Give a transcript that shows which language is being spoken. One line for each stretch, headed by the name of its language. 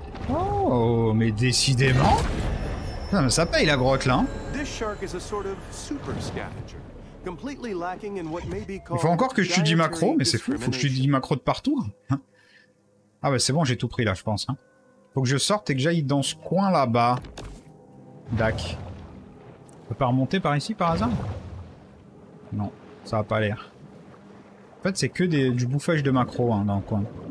French: Oh, mais décidément, ça paye la grotte là.
English: This shark is a sort of super scavenger,
French: Il faut encore que je te dise macro, mais c'est fou. Faut que je te dise macro de partout. Ah bah c'est bon, j'ai tout pris là, je pense. Faut que je sorte et que j'aille dans ce coin là-bas. Dac. On peut pas remonter par ici, par hasard? Non, ça a pas l'air. En fait, c'est que du bouffage de macro hein, dans le coin.